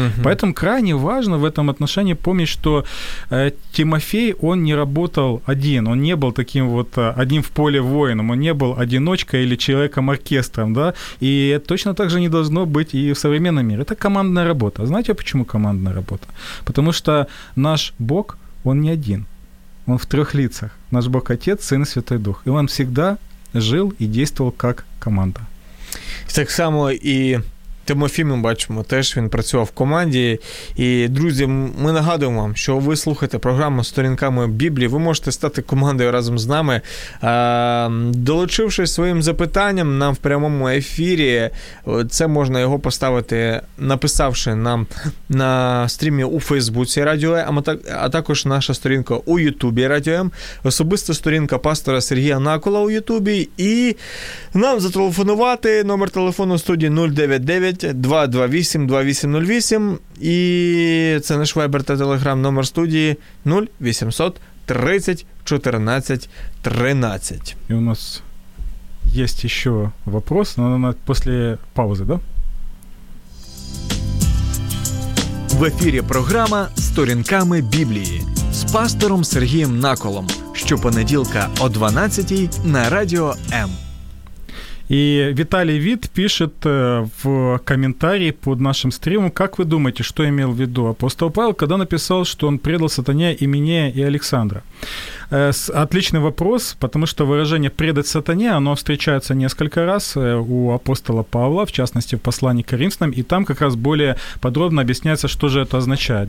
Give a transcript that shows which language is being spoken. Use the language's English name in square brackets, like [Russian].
[Russian] Поэтому крайне важно в этом отношении помнить, что Тимофей, он не работал один, он не был таким вот одним в поле воином, он не был одиночкой или человеком-оркестром, да, и это точно так же не должно быть и в современном мире. Это командная работа. Знаете, почему командная работа? Потому что наш Бог, он не один, он в трех лицах. Наш Бог Отец, Сын и Святой Дух. И он всегда жил и действовал как команда. [Ukrainian] Так само і Тимофій, ми бачимо, теж він працював в команді. І, друзі, ми нагадуємо вам, що ви слухаєте програму «Сторінками Біблії». Ви можете стати командою разом з нами, долучившись своїм запитанням нам в прямому ефірі. Це можна його поставити, написавши нам на стрімі у Фейсбуці Радіо М, а також наша сторінка у Ютубі Радіо М, особиста сторінка пастора Сергія Накола у Ютубі, і нам зателефонувати, номер телефону студії 099-228-2808, і це наш вайбер та телеграм, номер студії 0800-30-14-13. І у нас є ще вопрос, але після паузи, да? В ефірі програма «Сторінками Біблії» з пастором Сергієм Наколом. щопонеділка о 12:00 на Радіо М. [Russian] И Виталий Вит пишет в комментарии под нашим стримом, как вы думаете, что имел в виду апостол Павел, когда написал, что он предал сатане и меня, и Александра? Отличный вопрос, потому что выражение «предать сатане», оно встречается несколько раз у апостола Павла, в частности, в послании к Коринфянам, и там как раз более подробно объясняется, что же это означает.